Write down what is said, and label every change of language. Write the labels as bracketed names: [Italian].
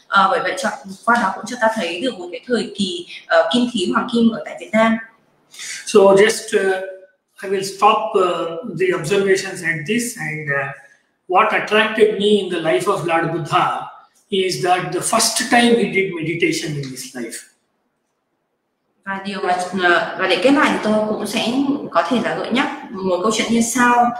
[Vietnamese] Bởi vậy qua đó cũng cho ta thấy được một cái thời kỳ kim khí hoàng kim ở tại Việt Nam. [English] So just I will stop the observations at this, and what attracted me in the life of Lord Buddha is that the first time he did meditation in his life. [Vietnamese] Và điều mà và để kết lại thì tôi cũng sẽ có thể là gợi nhắc một câu chuyện như sau.